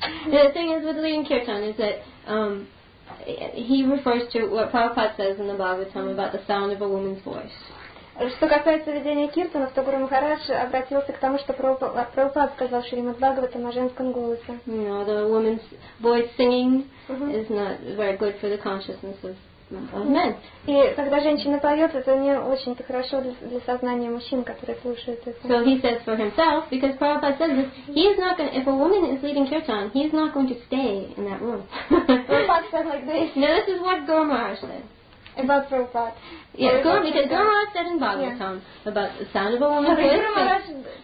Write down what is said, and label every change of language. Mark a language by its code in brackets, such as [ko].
[en] The thing is with leading kirtan is that he refers to what Prabhupada says in the Bhagavatam about the sound of a woman's voice. [ru] Что касается ведения киртанов, то Гуру Махарадж обратился к тому, что Прабхупада сказал Шримад Бхагаватам о женском голосе. [en] You know, the woman's voice singing is not very good for the consciousness of men. [ru] И когда женщина поет, это не очень-то хорошо для сознания мужчин, которые слушают это. [en] So he says for himself, because Prabhupada says this, if a woman is leading kirtan, he's not going to stay in that room. Prabhupada said like this. No, this is what Gur Maharaj said. About Prabhupada. Yes, because Guru Maharaj said in Bhagavatam about the sound of a woman's voice.